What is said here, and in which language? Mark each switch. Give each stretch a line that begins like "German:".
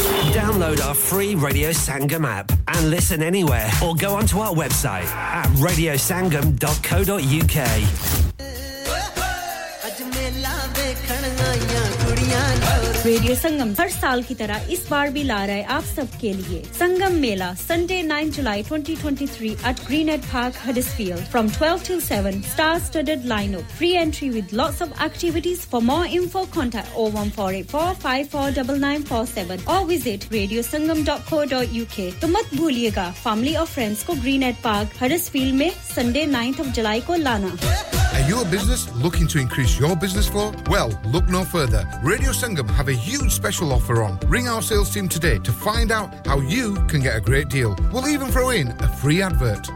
English: Sangam app and listen anywhere or go onto our website at radiosangam.co.uk.
Hindi: Radio संगम हर साल की तरह इस बार भी ला रहा है आप सबके लिए संगम मेला Sunday 9 July 2023 eight Greenhead park Huddersfield
English: from 12 to 7 star studded lineup free entry with lots of activities for more info contact
Hindi: 01484549947 और विजिट radiosangam.co.uk तो मत भूलिएगा फैमिली और फ्रेंड्स को ग्रीनहेड पार्क हडिसफील्ड में संडे 9th ऑफ जुलाई को लाना
English: Are you a business looking to increase your business flow? Well, look no further. Radio Sangam have a huge special offer on. Ring our sales team today to find out how you can get a great deal. We'll even throw in a free advert.